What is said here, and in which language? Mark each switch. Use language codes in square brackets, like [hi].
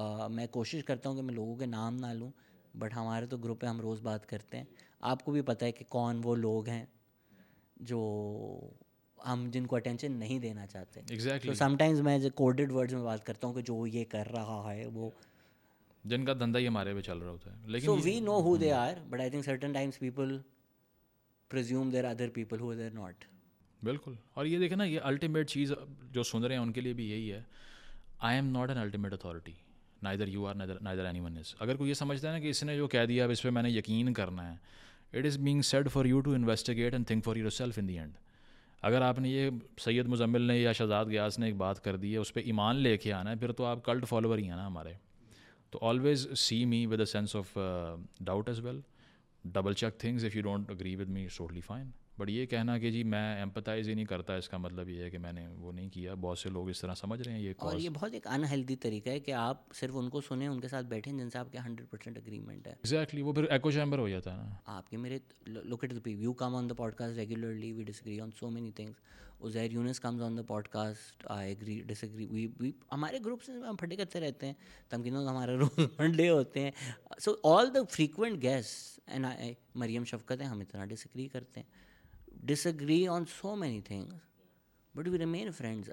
[ur] میں کوشش کرتا ہوں کہ میں لوگوں کے نام نہ لوں، بٹ ہمارے تو گروپ پہ ہم روز بات کرتے ہیں، آپ کو بھی پتہ ہے کہ کون وہ لوگ ہیں جو ہم جن کو اٹینشن نہیں دینا چاہتے. [en] Exactly. [ur] تو سم ٹائمز میں کوڈڈ ورڈز میں بات کرتا ہوں کہ جو یہ کر رہا ہے وہ، جن کا دھندا ہی ہمارے پہ چل رہا ہوتا ہے. [en] لیکن so we know who they are, but I think certain times people presume they're other people who they're not. [ur] بالکل. اور یہ دیکھیں نا، یہ الٹیمیٹ چیز جو سن رہے ہیں ان کے لیے بھی یہی ہے، [en] I am not an ultimate authority, neither you are neither anyone is. [ur] اگر کوئی یہ سمجھتا ہے نا کہ اس نے جو کہہ دیا اب اس پہ میں نے یقین کرنا ہے، [en] It is being said for you to investigate and think for yourself in the end. [ur] اگر آپ نے یہ سید مزمل نے یا شہزاد غیاث نے ایک بات کر دی ہے، اس پہ ایمان لے کے آنا ہے، پھر تو آپ کلٹ فالوور ہی ہیں نا ہمارے. [en] تو always see me with a sense of doubt as well, double check things, if you don't agree with me totally fine. [ur] But یہ کہنا کہ جی میں ایمپتائز ہی نہیں کرتا، اس کا مطلب یہ ہے کہ میں نے وہ نہیں کیا. بہت سے لوگ اس طرح سمجھ رہے ہیں یہ، اور یہ بہت ایک انہیلدی طریقہ ہے کہ آپ صرف ان کو سنیں، ان کے ساتھ بیٹھیں جن سے آپ کے 100% اگریمنٹ ہے. [en] Exactly. [ur] وہ پھر ایکو چیمبر ہو جاتا ہے نا آپ کے. [en] میرے look at the people come on the podcast regularly, we disagree on so many things. Uzair Younus comes on the podcast, I agree disagree. [ur] وی ہمارے groups میں ہم پھٹے کرتے رہتے ہیں، تمکینوں کا ہمارا روز منڈے ہوتے ہیں. [en] so all the frequent guest and I Maryam Shafqat ہیں، [ur] ہم اتنا ڈس اگری کرتے ہیں، [en] disagree on so many things, but we remain friends.